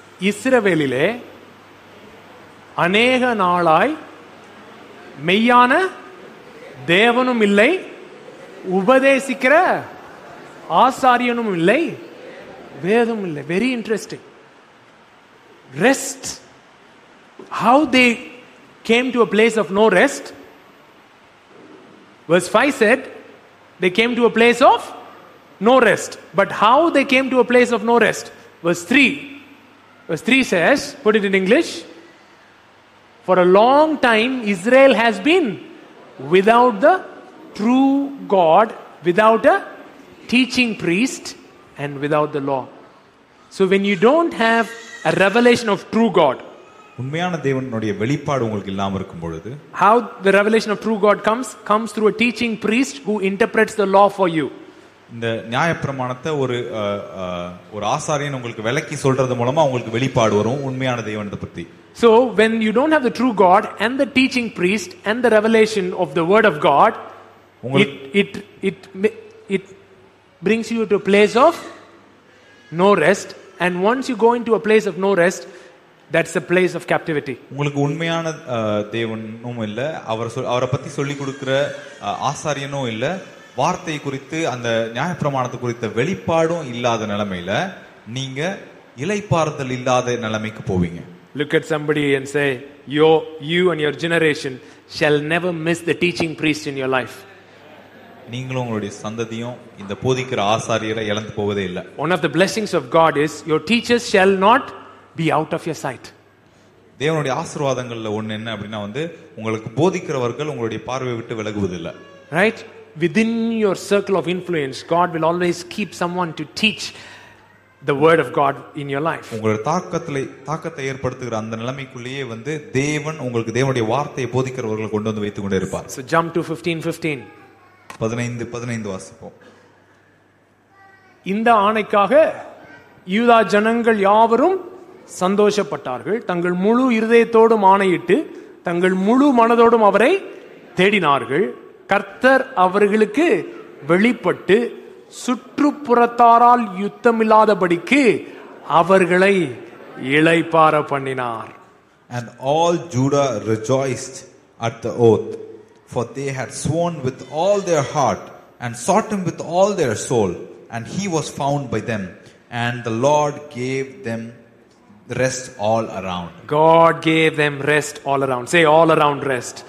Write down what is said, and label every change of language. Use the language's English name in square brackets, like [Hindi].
[Tamil] இஸ்ரவேலிலே அநேக நாளாய் மெய்யான தேவனும் இல்லை, உபதேசிக்கிற ஆசாரியனும் இல்லை, வேதமும் இல்லை. [English] Very interesting. Rest, how they came to a place of no rest. Verse 5 said they came to a place of no rest, but how they came to a place of no rest. Verse 3 says, put it in English, for a long time Israel has been without the true God, without a teaching priest and without the law. So when you don't have a revelation of true God, [Tamil] உண்மையான தேவனுடைய வெளிப்பாடு உங்களுக்கு இல்லாம இருக்கும் பொழுது, [English] how the revelation of true God comes through a teaching priest who interprets the law for you. [Tamil] இந்த நியாயப்பிரமாணத்தை ஒரு ஒரு ஆசாரியன் உங்களுக்கு விளக்கி சொல்றது மூலமா உங்களுக்கு வெளிப்பாடு வரும் உண்மையான தேவனை பத்தி. [English] So when you don't have the true God and the teaching priest and the revelation of the word of God, it brings you to a place of no rest, and once you go into a place of no rest, That's a place of captivity. [Tamil] உங்களுக்கு உண்மையான தேவனும் இல்ல, அவரை பத்தி சொல்லி கொடுக்கிற ஆசாரியனும் இல்ல, வார்த்தை குறித்து அந்த நியாயப்பிரமாணத்தை குறித்த வெளிப்பாடும் இல்லாத நிலைமையில நீங்க இலைப்பாறுதல் இல்லாத நிலைமைக்கு போவீங்க. [English] Look at somebody and say, you and your generation shall never miss the teaching priest in your life. [Tamil] நீங்களும் உங்களுடைய சந்ததியும் இந்த போதிக்கிற ஆசாரியரை இழந்து போவதே இல்ல. [English] One of the blessings of God is your teachers shall not be out of your sight. [Tamil] தேவனுடைய ஆசீர்வாதங்கள்ல ஒன்னு என்ன அப்படினா வந்து உங்களுக்கு போதிக்கிறவர்கள் உங்களுடைய பார்வை விட்டு விலகுவதில்ல. [English] Right? Within your circle of influence, God will always keep someone to teach the word of God in your life. [Tamil] உங்களுடைய தாக்கத்தை ஏற்படுத்துகிற அந்த நிலைமைக்குள்ளேயே வந்து தேவன் உங்களுக்கு தேவனுடைய வார்த்தையை போதிக்கிறவர்களை கொண்டு வந்து வைத்துக் கொண்டே இருப்பார். [English] So jump to 15:15. [Tamil] 15:15 வாசிப்போம். இந்த ஆணைக்காக யூதா ஜனங்கள் யாவரும் சந்தோஷப்பட்டார்கள். தங்கள் முழு இருதயத்தோடும் ஆணையிட்டு தங்கள் முழு மனதோடும் அவரை தேடினார்கள். கர்த்தர் அவர்களுக்கு வெளிப்பட்டு சுற்றுப்புறத்தாரால் யுத்தமில்லாதபடிக்கு அவர்களை இளைப்பார பண்ணினார். [English] And all Judah rejoiced at the oath, for they had sworn with all their heart and sought him with all their soul, and he was found by them, and the Lord gave them rest all around. God gave them rest all around. Say all around rest.